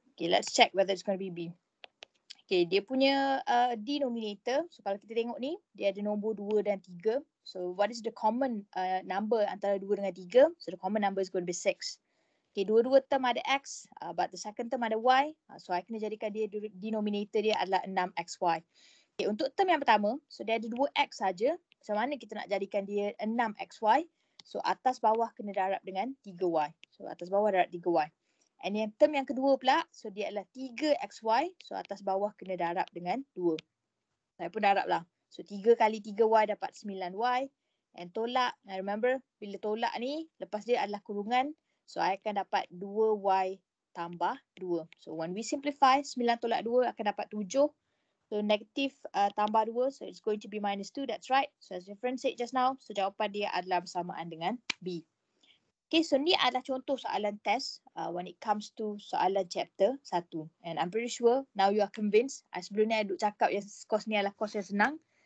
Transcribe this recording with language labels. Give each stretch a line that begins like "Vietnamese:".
English: Okay, let's check whether it's going to be B. Okay,
Malay: dia punya denominator. So, kalau kita tengok ni, dia ada nombor 2 dan 3. So,
English: what is the common number
Malay: antara 2 dengan 3?
English: So, the common number is going to be 6.
Malay: Okay, dua-dua term ada X, but the second term ada Y. So, I kena jadikan dia denominator dia adalah 6XY. Okay, untuk term yang pertama, so dia ada 2X saja. Macam mana kita nak jadikan dia 6XY? So, atas bawah kena darab dengan 3Y. So, atas bawah darab 3Y. And yang term yang kedua pula, so dia adalah 3XY. So, atas bawah kena darab dengan 2. Saya pun darab lah. So, 3 kali 3Y dapat 9Y. And tolak,
English: I remember,
Malay: bila tolak ni, lepas dia adalah kurungan. So, I akan dapat 2Y tambah 2. So,
English: when we simplify,
Malay: 9 tolak 2 akan dapat 7.
English: So, negatif tambah 2. So, it's going to be minus 2. That's right. So, as reference said just now.
Malay: So, jawapan dia adalah bersamaan dengan B. Okay, so ni adalah contoh soalan test
English: when it comes to
Malay: soalan chapter 1.
English: And I'm pretty sure now you are convinced.
Malay: Sebelum ni I duk cakap yang course ni adalah course yang senang.